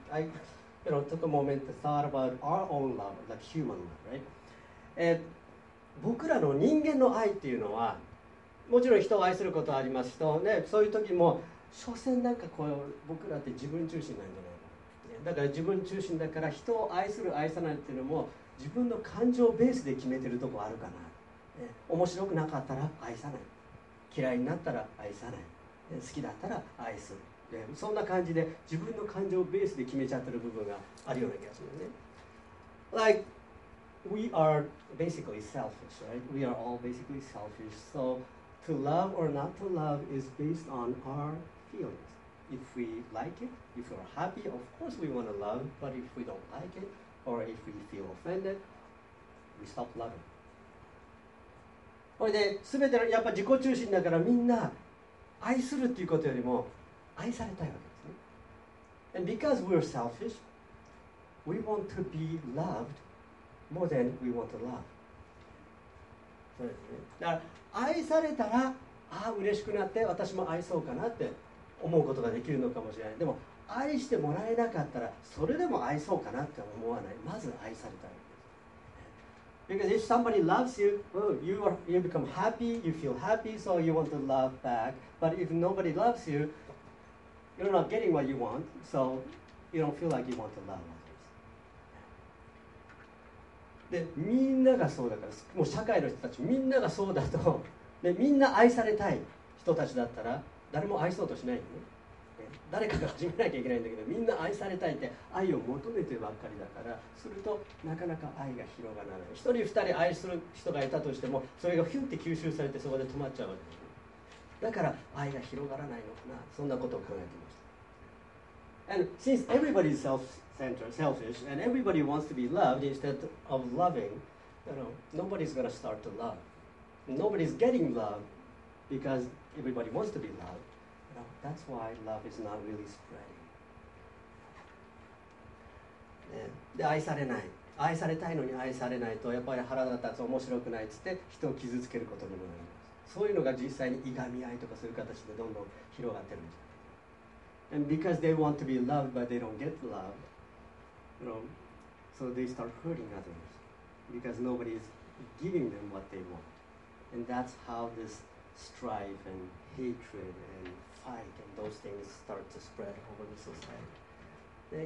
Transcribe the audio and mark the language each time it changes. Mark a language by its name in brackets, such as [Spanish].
[English] I, you know, took a moment to thought about our own love, like human love, right? [Japanese] 僕らの人間の愛っていうのは、もちろん人を愛することはありますけど、ね、そういう時も、所詮なんかこう、僕らって自分中心なんじゃないの。だから自分中心だから、人を愛する愛さないっていうのも、自分の感情ベースで決めてるとこあるかな。面白くなかったら愛さない、嫌いになったら愛さない、好きだったら愛する、そんな感じで自分の感情ベースで決めちゃってる部分があるような気がするね。 [English] Like we are basically selfish, right? We are all basically selfish. So to love or not to love is based on our feelings. If we like it, if we are happy, of course we want to love. But if we don't like it or if we feel offended, we stop loving. [Japanese] これで全てのやっぱ自己中心だからみんな愛するっていうことよりも愛されたいわけですね。 [English] And because we're selfish, we want to be loved more than we want to love. [Japanese] だから愛されたら、ああ嬉しくなって私も愛そうかなって思うことができるのかもしれない。でも愛してもらえなかったらそれでも愛そうかなって思わない。まず愛されたい。 Because if somebody loves you, you become happy, you feel happy, so you want to love back. But if nobody loves you, you're not getting what you want, so you don't feel like you want to love others. で、みんながそうだから、もう社会の人たちみんながそうだと、で、みんな愛されたい人たちだったら、誰も愛そうとしないよね。誰かが始めなきゃいけないんだけど、みんな愛されたいって愛を求めてばっかりだから、するとなかなか愛が広がらない。一人二人愛する人がいたとしても、それがフュンって吸収されてそこで止まっちゃうわけ。だから愛が広がらないのかな、そんなことを考えてました。 [English] And since everybody is self-centered, selfish, and everybody wants to be loved instead of loving, you know, nobody's gonna start to love. Nobody's getting love because everybody wants to be loved. That's why love is not really spreading.、 [Japanese] ね、で、愛されない。愛されたいのに愛されないと、やっぱり腹立つ、面白くないっつって、人を傷つけることにもなります。そういうのが実際にいがみ合いとかそういう形でどんどん広がってるんじゃないか。 [English] And because they want to be loved, but they don't get love, you know, so they start hurting others. Because nobody is giving them what they want. And that's how this strife and hatred andand those things start to spread over the society.